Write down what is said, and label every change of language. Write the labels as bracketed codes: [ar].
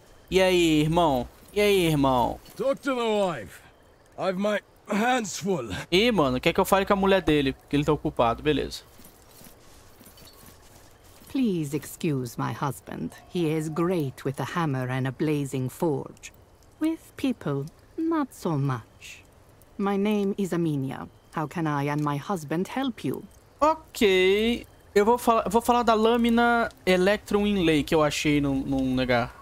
[pt] E aí, irmão? E aí, irmão? [en] Talk to the wife. I've my hands full. [pt] Ih, mano, quer que eu fale com a mulher dele, porque ele tá ocupado, beleza. [en] Please excuse my husband. He is great with a hammer and a blazing forge. With people, not so much. My name is Aminia. How can I and my husband help you? [pt] Ok. Eu vou falar da lâmina Electrum Inlay que eu achei num lugar.